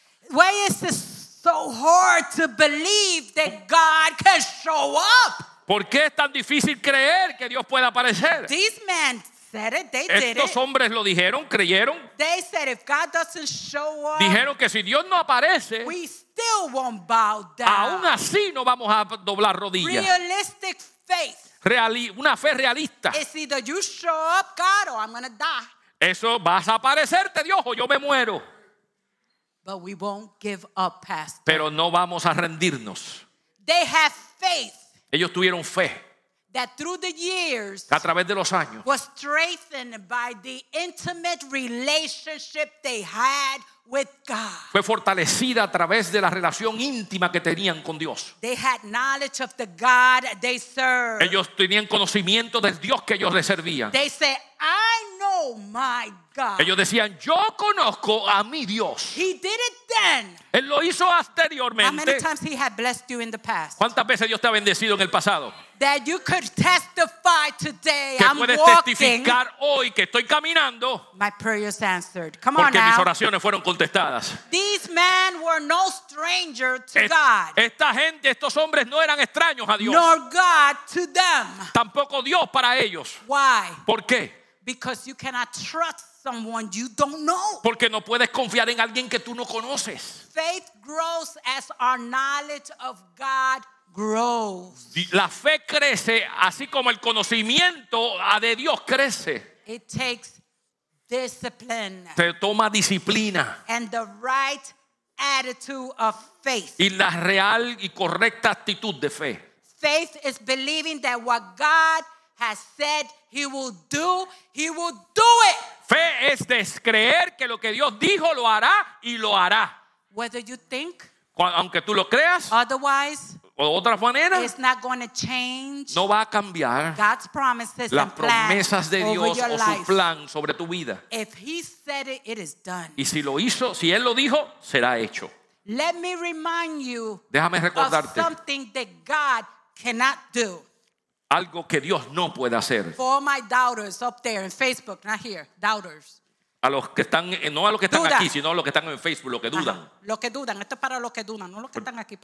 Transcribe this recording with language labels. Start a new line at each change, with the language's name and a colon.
English: Why is this so hard to believe that God can show up?
Spanish: ¿Por qué es tan difícil creer que Dios pueda aparecer?
English: These men said it, they
Spanish: Estos
English: did it.
Spanish: Estos hombres lo dijeron, creyeron.
English: They said if God doesn't show up.
Spanish: Dijeron que si Dios no aparece.
English: We still won't bow down.
Spanish: Aún así no vamos a doblar rodillas.
English: Realistic faith.
Spanish: Una fe realista.
English: It's either you show up, God, or I'm going to die.
Spanish: Eso vas a aparecerte, Dios, o yo me muero.
English: But we won't give up, Pastor.
Spanish: Pero no vamos a rendirnos.
English: They have faith.
Spanish: Ellos tuvieron fe.
English: That through the years.
Spanish: A través de los años.
English: Was strengthened by the intimate relationship they had with God.
Spanish: Fue fortalecida a través de la relación íntima que tenían con Dios.
English: They had knowledge of the God they served.
Spanish: Ellos tenían conocimiento del Dios que ellos le servían.
English: They said, I know my God.
Spanish: Ellos decían, yo conozco a mi Dios.
English: He did it then.
Spanish: Él lo hizo anteriormente.
English: How many times he had blessed you in the past?
Spanish: ¿Cuántas veces Dios te ha bendecido en el pasado?
English: That you could testify today.
Spanish: Que
English: I'm
Spanish: puedes
English: walking.
Spanish: Testificar hoy que estoy caminando.
English: My prayers answered. Come
Spanish: porque
English: on now.
Spanish: Mis oraciones fueron contestadas.
English: These men were no stranger to God.
Spanish: Esta gente, estos hombres no eran extraños a Dios.
English: Nor God to them.
Spanish: Tampoco Dios para ellos.
English: Why?
Spanish: ¿Por qué?
English: Because you cannot trust someone you don't know.
Spanish: Porque no puedes confiar en alguien que tú no conoces.
English: Faith grows as our knowledge of God grows.
Spanish: La fe crece así como el conocimiento de Dios crece.
English: It takes discipline.
Spanish: Te toma disciplina.
English: And the right attitude of faith.
Spanish: Y la real y correcta actitud de fe.
English: Faith is believing that what God has said he will do, he will do it.
Spanish: Fe es descreer que lo que Dios dijo lo hará y lo hará.
English: Whether you think,
Spanish: aunque tú lo creas,
English: otherwise,
Spanish: o de otra manera,
English: it's not going to change.
Spanish: No va a cambiar
English: God's promises,
Spanish: las promesas de Dios o su plan sobre tu vida.
English: If he said it, it is done.
Spanish: Y si lo hizo, si él lo dijo, será hecho.
English: Let me remind you,
Spanish: déjame recordarte,
English: of something that God cannot do.
Spanish: Algo que Dios no puede hacer.
English: For my doubters up there in Facebook, not here, doubters.
Spanish: A los que están, no a los que están aquí, sino a los que están en Facebook, los que dudan. Los que dudan, esto es para los que dudan, no los que están aquí.